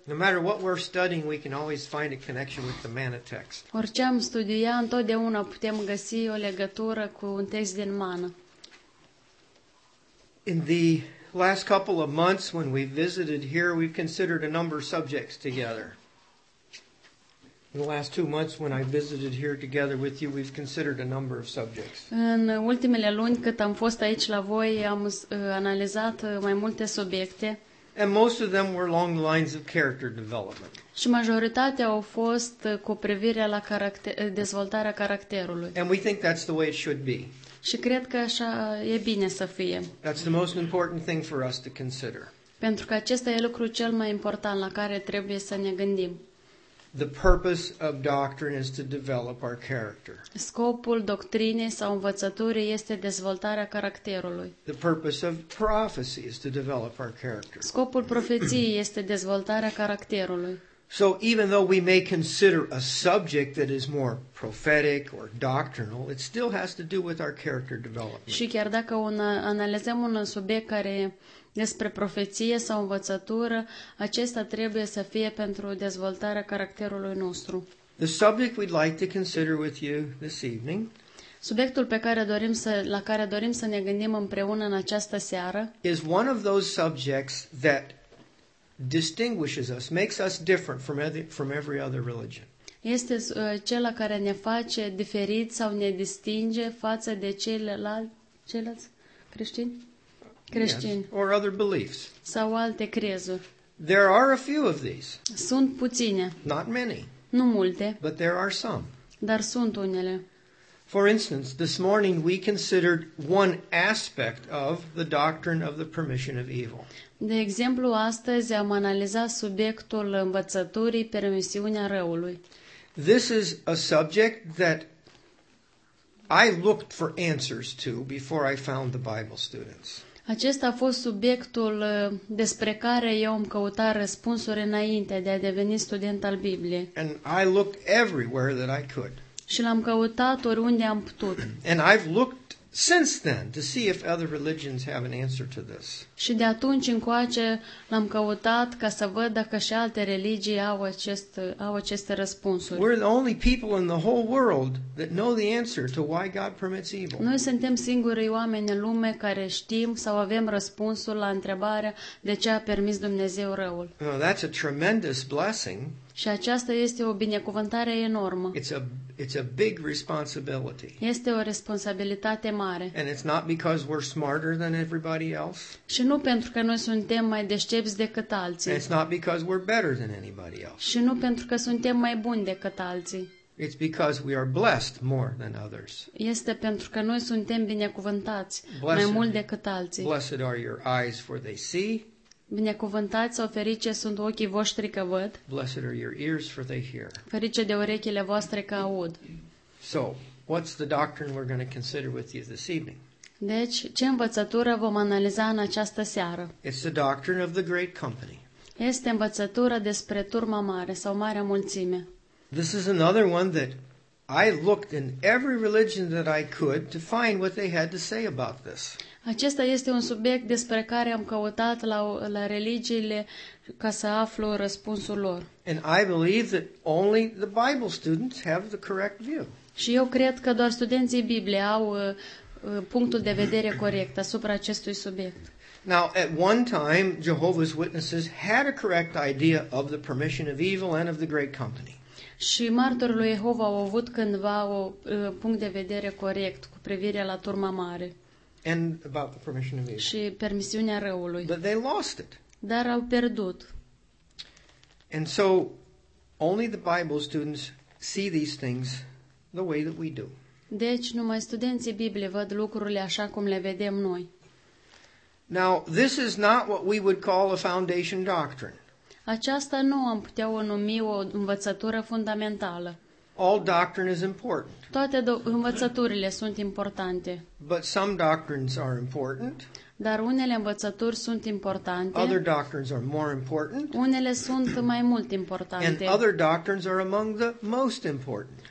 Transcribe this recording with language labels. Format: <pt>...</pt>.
<en>No matter what we're studying, we can always find a connection with the manna text.</en> <ro>Orice am studia, întotdeauna putem găsi o legătură cu un text din mană.</ro> <en>In the last couple of months when we visited here, we've considered a number of subjects together. In the last 2 months when I visited here together with you, we've considered a number of subjects.</en> <ro>În ultimele luni cât am fost aici la voi, am analizat mai multe subiecte.</ro> <en>And most of them were along the lines of character development.</en> <ro>Și majoritatea au fost cu privire la dezvoltarea caracterului.</ro> <en>And we think that's the way it should be.</en> <ro>Și cred că așa e bine să fie.</ro> <en>That's the most important thing for us to consider.</en> <ro>Pentru că acesta e lucrul cel mai important la care trebuie să ne gândim.</ro> <en>The purpose of doctrine is to develop our character.</en> <ro>Scopul doctrinei sau învățăturii este dezvoltarea caracterului.</ro> <en>The purpose of prophecy is to develop our character.</en> <ro>Scopul profeției este dezvoltarea caracterului.</ro> <en>So even though we may consider a subject that is more prophetic or doctrinal, it still has to do with our character development.</en> <ro>Și chiar dacă analizăm un subiect care despre profeție sau învățătură, acesta trebuie să fie pentru dezvoltarea caracterului nostru.</ro> <en>The subject we'd like to consider with you this evening.</en> <ro>Subiectul pe care dorim să la care dorim să ne gândim împreună în această seară</ro> <en>is one of those subjects that distinguishes us, makes us different from every other religion.</en> <ro>Este cel care ne face diferit sau ne distinge față de ceilalți creștini? Creștini.</ro> <en>Yes, or other beliefs.</en> <ro>Sau alte crezuri.</ro> <en>There are a few of these.</en> <ro>Sunt puține.</ro> <en>Not many.</en> <ro>Nu multe.</ro> <en>But there are some.</en> <ro>Dar sunt unele.</ro> <en>For instance, this morning we considered one aspect of the doctrine of the permission of evil.</en> <ro>De exemplu, astăzi am analizat subiectul învățăturii permisiunea răului.</ro> <en>This is a subject that I looked for answers to before I found the Bible students.</en> <ro>Acesta a fost subiectul despre care eu am căutat răspunsuri înainte de a deveni student al Bibliei.</ro> <en>And I looked everywhere that I could.</en> <ro>Și l-am căutat oriunde am putut.</ro> <en>And I've looked since then to see if other religions have an answer to this.</en> <ro>Și de atunci încoace l-am căutat ca să văd dacă și alte religii au aceste răspunsuri.</ro> <en>We're the only people in the whole world that know the answer to why God permits evil.</en> <ro>Noi suntem singurii oameni în lume care știm sau avem răspunsul la întrebarea de ce a permis Dumnezeu răul.</ro> <en>Now that's a tremendous blessing.</en> <ro>Și aceasta este o binecuvântare enormă.</ro> <en>It's a big responsibility.</en> <ro>Este o responsabilitate mare.</ro> <en>And it's not because we're smarter than everybody else.</en> <ro>Și nu pentru că noi suntem mai deștepți decât alții.</ro> <en>And it's not because we're better than anybody else.</en> <ro>Și nu pentru că suntem mai buni decât alții.</ro> <en>It's because we are blessed more than others.</en> <ro>Este pentru că noi suntem binecuvântați mai mult decât alții.</ro> <en>Blessed are your eyes, for they see.</en> <ro>Binecuvântați sau ferice sunt ochii voștri că văd.</ro> <en>Blessed are your ears, for they hear.</en> <ro>Ferice de urechile voastre că aud.</ro> <en>So, what's the doctrine we're going to consider with you this evening?</en> <ro>Deci, ce învățătură vom analiza în această seară?</ro> <en>It's the doctrine of the great company.</en> <ro>Este învățătura despre turma mare sau marea mulțime.</ro> <en>This is another one that I looked in every religion that I could to find what they had to say about this.</en> <ro>Acesta este un subiect despre care am căutat la religiile ca să aflu răspunsul lor.</ro> <en>And I believe that only the Bible students have the correct view.</en> <ro>Și eu cred că doar studenții Bibliei au punctul de vedere corect asupra acestui subiect.</ro> <en>Now, at one time, Jehovah's Witnesses had a correct idea of the permission of evil and of the great company.</en> <ro>Și martorii lui Jehova au avut cândva un punct de vedere corect cu privire la turma mare.</ro> <en>And about the permission of evil.</en> <ro>Și permisiunea răului.</ro> <en>But they lost it.</en> <ro>Dar au pierdut.</ro> <en>And so only the Bible students see these things the way that we do.</en> <ro>Deci numai studenții Biblie văd lucrurile așa cum le vedem noi.</ro> <en>Now, this is not what we would call a foundation doctrine.</en> <ro>Aceasta nu am putea o numi o învățătură fundamentală.</ro> <en>All doctrine is important.</en> <ro>Toate învățăturile sunt importante.</ro> <en>But some doctrines are important.</en> <ro>Dar unele învățături sunt importante.</ro> <en>Other doctrines are more important.</en> <ro>Unele sunt mai mult importante.</ro> <en>And other doctrines are among the most important.</en>